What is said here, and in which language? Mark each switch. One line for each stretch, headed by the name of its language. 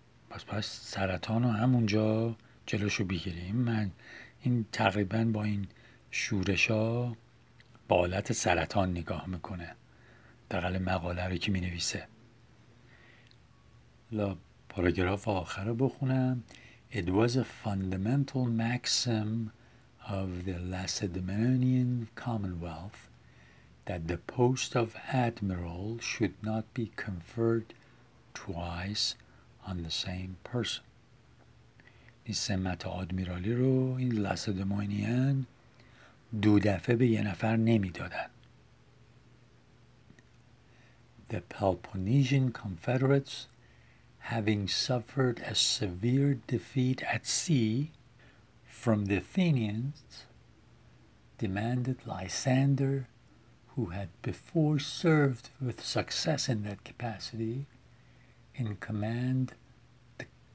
Persian: پس سرطان رو همونجا جلوشو بگیریم. من این تقریبا با این شورشا با حالت سرطان نگاه میکنه دقل مقاله رو که مینویسه. پاراگراف آخر رو بخونم.
English: It was a fundamental maxim of the Lacedaemonian Commonwealth that the post of admiral should not be conferred twice on the same person.
Persian: این سمت آدمیرالی رو این لاسدمونیان دو دفعه به یه نفر نمیدادن.
English: The Peloponnesian Confederates, having suffered a severe defeat at sea from the Athenians, demanded Lysander, who had before served with success in that capacity, in command the